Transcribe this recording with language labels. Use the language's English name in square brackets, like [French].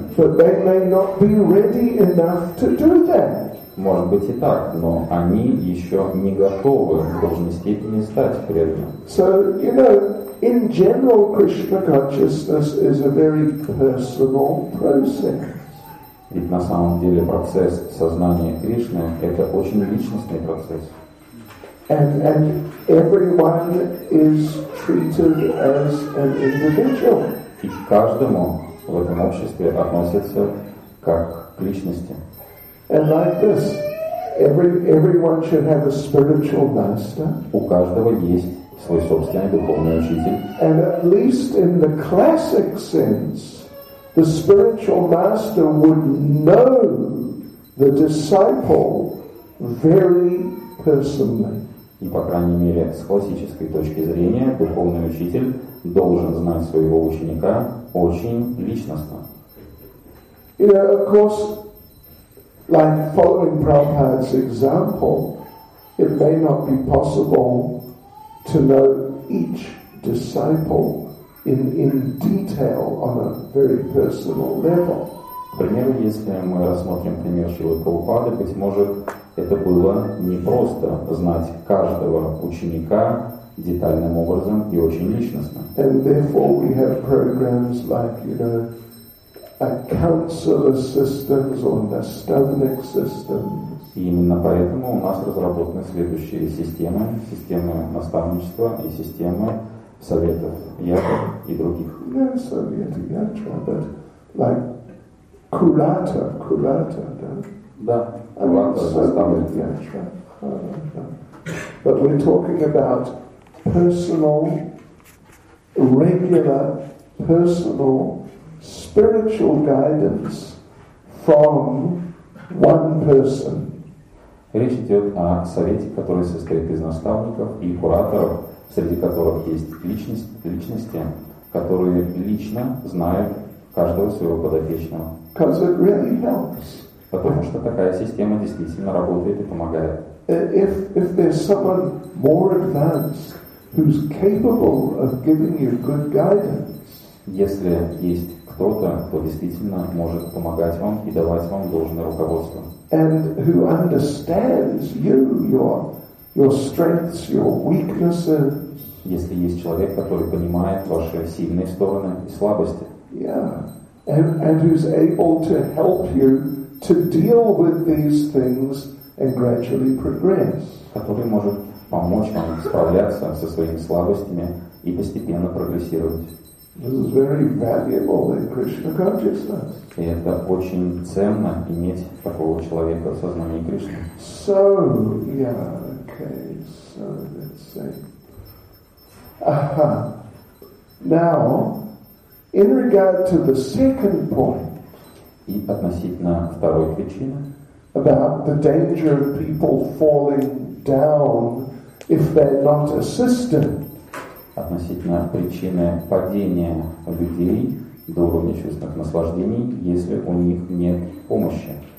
[English] But they may not be ready enough to do that. [Russian] Может быть и так, но они еще не готовы в должной степени стать преданным. [English] So, you know, in general, Krishna consciousness is a very personal process. [Russian] Ведь на самом деле процесс сознания Кришны — это очень личностный процесс. [English] And everyone is treated as an individual. [Russian] И каждому в этом обществе относится как к личности. [English] And like this, everyone should have a spiritual master. [Russian] У каждого есть свой собственный духовный учитель. [English] And at least in the classic sense, the spiritual master would know the disciple very personally. [Russian] И, по крайней мере, с классической точки зрения, духовный учитель должен знать своего ученика очень личностно. [English] You know, of course, like following Prabhupada's example, it may not be possible to know each disciple in detail on a very personal level. [Russian] К примеру, если мы рассмотрим пример Шрилы Прабхупады, быть может, это было не просто знать каждого ученика детальным образом и очень личностно. [English] And therefore we have programs like, you know, a counselor systems or nastavnik systems. [Russian] И именно поэтому у нас разработаны следующие системы, системы наставничества и системы советов ячо и других. Не советы ячо, [English] but like [Russian] курата, да? Да. [English] But we're talking about personal, regular, personal, spiritual guidance from one person. [Russian] Речь идет о совете, который состоит из наставников и кураторов, среди которых есть личности, которые лично знают каждого своего подопечного. [English] Because it really helps. [Russian] Потому что такая система действительно работает и помогает. [English] If there's someone more advanced who's capable of giving you good guidance. [Russian] Если есть кто-то, кто действительно может помогать вам и давать вам должное руководство. [English] And who understands you, your strengths, your weaknesses. [Russian] Если есть человек, который понимает ваши сильные стороны и слабости. [English] Yeah. And who's able to help you to deal with these things and gradually progress. [Russian] Который может помочь вам справляться со своими слабостями и постепенно прогрессировать. [English] This is very valuable in Krishna consciousness. [Russian] И это очень ценно иметь такого человека в сознании Кришны. [English] So, yeah, okay, so let's see. Now, in regard to the second point, [Russian] и относительно второй причины. [English] About the danger of people falling down if they're not assisted. [Russian] Относительно причины падения людей, до уровня чувственных наслаждений, если у них нет помощи.